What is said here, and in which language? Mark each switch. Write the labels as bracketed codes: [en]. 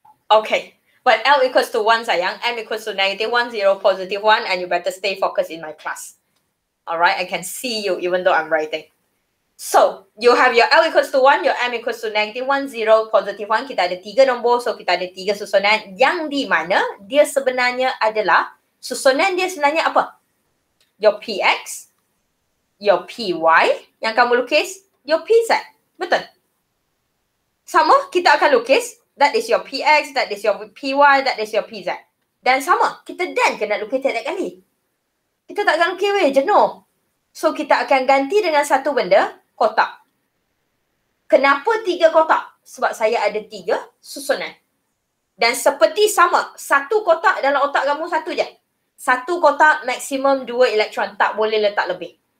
[en] Okay. But L equals to 1, sayang. M equals to negative 1, 0, positive 1. And you better stay focused in my class. Alright? I can see you even though I'm writing. So, you have your L equals to 1, your M equals to negative 1, 0, positive 1. [ms] Kita ada 3 nombor. So, kita ada 3 susunan. Yang di mana dia sebenarnya adalah, susunan dia sebenarnya apa? [en] Your PX, your PY [ms] yang kamu lukis. [en] Your PZ. [ms] Betul? Sama, kita akan lukis. [en] That is your PX, that is your PY, that is your PZ. [ms] Dan sama, kita dan kena lukis tiap-tiap kali. Kita tak akan lukis weh, jenuh. So, kita akan ganti dengan satu benda, kotak. Kenapa 3 kotak? Sebab saya ada 3 susunan. Dan seperti sama, satu kotak dalam otak kamu satu je. Satu kotak maksimum 2 elektron, tak boleh letak lebih.